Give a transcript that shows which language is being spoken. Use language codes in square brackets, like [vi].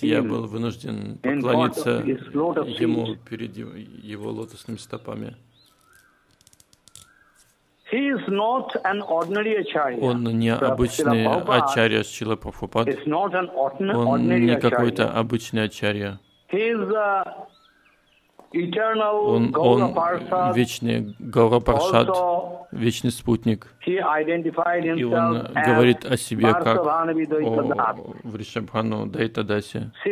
[ru] Я был вынужден поклониться ему перед его лотосными стопами. [en] He is not an ordinary acharya. [ru] Он не обычный ачарья Шрила Прабхупада. [en] He is not an ordinary [ru] Он не какой-то обычный ачарья. [en] He is a eternal [ru] он вечный Гаура Паршад, вечный спутник. [en] He identified himself [ru] и он говорит о себе как о Вришабхану Дайтадасе.